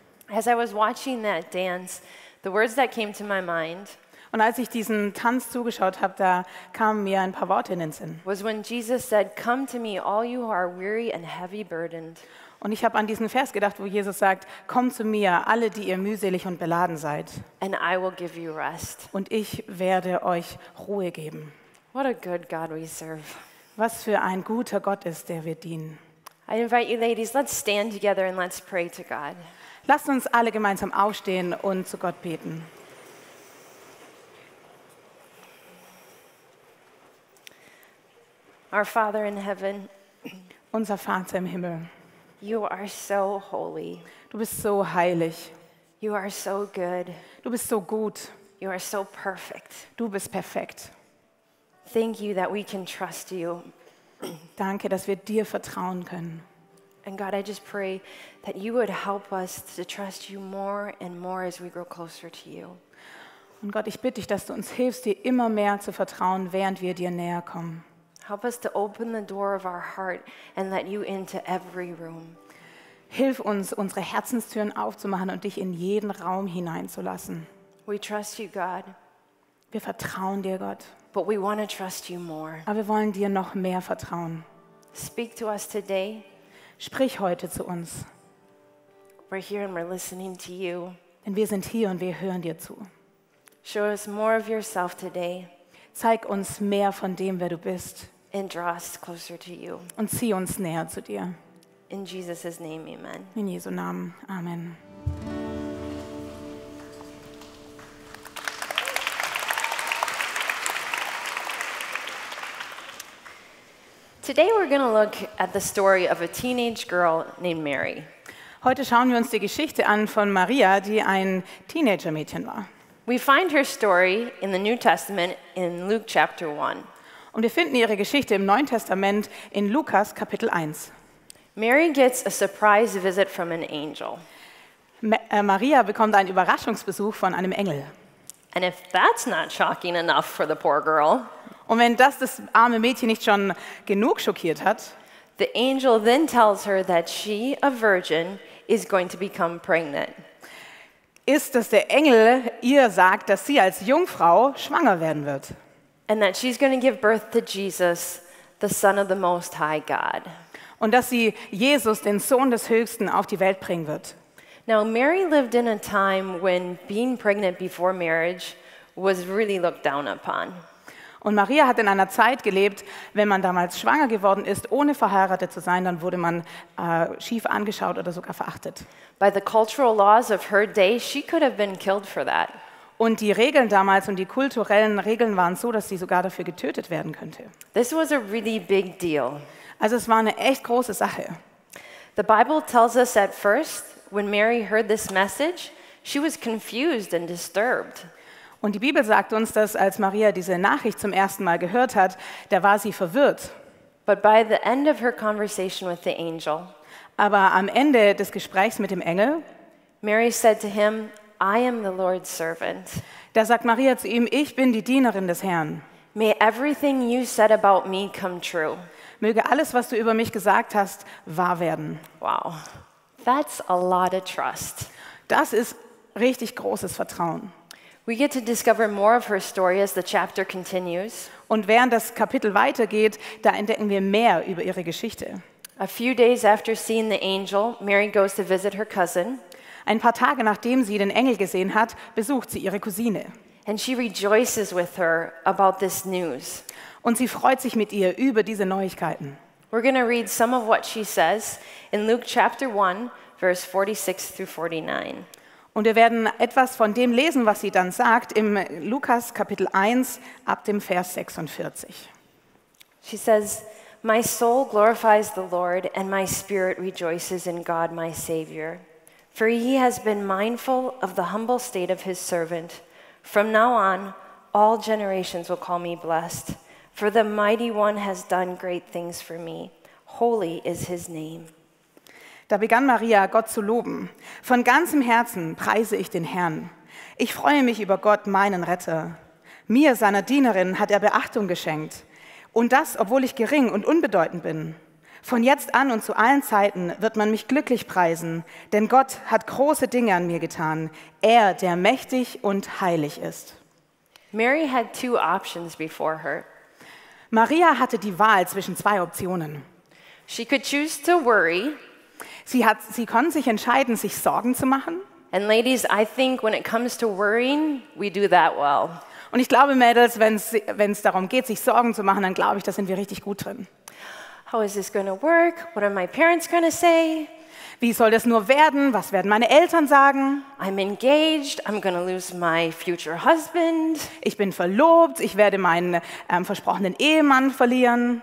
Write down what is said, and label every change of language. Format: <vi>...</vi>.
<en>As I was watching that dance, the words that came to my mind.</en> <de>Und als ich diesen Tanz zugeschaut habe, da kamen mir ein paar Worte in den Sinn.</de> <en>Was when Jesus said, "Come to me, all you who are weary and heavy burdened."</en> <de>Und ich habe an diesen Vers gedacht, wo Jesus sagt, "Kommt zu mir, alle, die ihr mühselig und beladen seid."</de> <en>And I will give you rest.</en> <de>Und ich werde euch Ruhe geben.</de> <en>What a good God we serve.</en> <de>Was für ein guter Gott ist, der wir dienen.</de> <en>I invite you, ladies, let's stand together and let's pray to God.</en> <de>Lasst uns alle gemeinsam aufstehen und zu Gott beten.</de> <en>Our Father in heaven.</en> <de>Unser Vater im Himmel.</de> <en>You are so holy.</en> <de>Du bist so heilig.</de> <en>You are so good.</en> <de>Du bist so gut.</de> <en>You are so perfect.</en> <de>Du bist perfekt.</de> <en>Thank you that we can trust you.</en> <de>Danke, dass wir dir vertrauen können.</de> <en>And God, I just pray that you would help us to trust you more and more as we grow closer to you.</en> <de>Und Gott, ich bitte dich, dass du uns hilfst, dir immer mehr zu vertrauen, während wir dir näher kommen.</de> <en>Help us to open the door of our heart and let you into every room.</en> <de>Hilf uns, unsere Herzenstüren aufzumachen und dich in jeden Raum hineinzulassen.</de> <en>We trust you, God.</en> <de>Wir vertrauen dir, Gott.</de> <en>But we want to trust you more.</en> <de>Aber wir wollen dir noch mehr vertrauen.</de> <en>Speak to us today.</en> <de>Sprich heute zu uns.</de> <en>We're here and we're listening to you.</en> <de>Denn wir sind hier und wir hören dir zu.</de> <en>Show us more of yourself today.</en> <de>Zeig uns mehr von dem, wer du bist.</de> <en>And draw us closer to you.</en> <de>Und zieh uns näher zu dir.</de> <en>In Jesus' name, amen.</en> <de>In Jesu Namen, amen.</de> <en>Today we're going to look at the story of a teenage girl named Mary.</en> <de>Heute schauen wir uns die Geschichte an von Maria, die ein Teenagermädchen war.</de> <en>We find her story in the New Testament in Luke chapter 1.</en> <de>Und wir finden ihre Geschichte im Neuen Testament in Lukas Kapitel 1.</de> <en>Mary gets a surprise visit from an angel.</en> <de>Maria bekommt einen Überraschungsbesuch von einem Engel.</de> <en>And if that's not shocking enough for the poor girl.</en> <de>Und wenn das arme Mädchen nicht schon genug schockiert hat.</de> <en>The angel then tells her that she, a virgin, is going to become pregnant.</en> <de>Ist, dass der Engel ihr sagt, dass sie als Jungfrau schwanger werden wird.</de> <en>And that she's going to give birth to Jesus, the Son of the Most High God.</en> <de>Und dass sie Jesus, den Sohn des Höchsten, auf die Welt bringen wird.</de> <en>Now Mary lived in a time when being pregnant before marriage was really looked down upon.</en> <de>Und Maria hat in einer Zeit gelebt, wenn man damals schwanger geworden ist, ohne verheiratet zu sein, dann wurde man schief angeschaut oder sogar verachtet.</de> <en>By the cultural laws of her day, she could have been killed for that.</en> <de>Und die Regeln damals und die kulturellen Regeln waren so, dass sie sogar dafür getötet werden könnte.</de> <en>This was a really big deal.</en> <de>Also es war eine echt große Sache.</de> <en>The Bible tells us at first, when Mary heard this message, she was confused and disturbed.</en> <de>Und die Bibel sagt uns, dass als Maria diese Nachricht zum ersten Mal gehört hat, da war sie verwirrt.</de> <en>But by the end of her conversation with the angel,</en> <de>aber am Ende des Gesprächs mit dem Engel,</de> <en>Mary said to him, "I am the Lord's servant."</en> <de>Da sagt Maria zu ihm, ich bin die Dienerin des Herrn.</de> <en>May everything you said about me come true.</en> <de>Möge alles, was du über mich gesagt hast, wahr werden.</de> <en>Wow. That's a lot of trust.</en> <de>Das ist richtig großes Vertrauen.</de> <en>We get to discover more of her story as the chapter continues.</en> <de>Und während das Kapitel weitergeht, da entdecken wir mehr über ihre Geschichte.</de> <en>A few days after seeing the angel, Mary goes to visit her cousin.</en> <de>Ein paar Tage nachdem sie den Engel gesehen hat, besucht sie ihre Cousine.</de> <en>And she rejoices with her about this news.</en> <de>Und sie freut sich mit ihr über diese Neuigkeiten.</de> <en>We're going to read some of what she says in Luke chapter 1, verse 46 through 49.</en> <de>Und wir werden etwas von dem lesen, was sie dann sagt, im Lukas Kapitel 1, ab dem Vers 46.</de> <en>She says, "My soul glorifies the Lord, and my spirit rejoices in God my Savior. For he has been mindful of the humble state of his servant. From now on, all generations will call me blessed. For the mighty one has done great things for me. Holy is his name."</en> <de>Da begann Maria, Gott zu loben. Von ganzem Herzen preise ich den Herrn. Ich freue mich über Gott, meinen Retter. Mir, seiner Dienerin, hat er Beachtung geschenkt. Und das, obwohl ich gering und unbedeutend bin. Von jetzt an und zu allen Zeiten wird man mich glücklich preisen, denn Gott hat große Dinge an mir getan, er, der mächtig und heilig ist.</de> <en>Mary had two options before her.</en> <de>Maria hatte die Wahl zwischen zwei Optionen.</de> <en>She could choose to worry.</en> <de>Sie konnte sich entscheiden, sich Sorgen zu machen.</de> <en>And ladies, I think when it comes to worrying, we do that well.</en> <de>Und ich glaube, Mädels, wenn's darum geht, sich Sorgen zu machen, dann glaube ich, da sind wir richtig gut drin.</de> <en>How is this going to work? What are my parents going to say?</en> <de>Wie soll das nur werden? Was werden meine Eltern sagen?</de> <en>I'm engaged. I'm going to lose my future husband.</en> <de>Ich bin verlobt. Ich werde meinen versprochenen Ehemann verlieren.</de>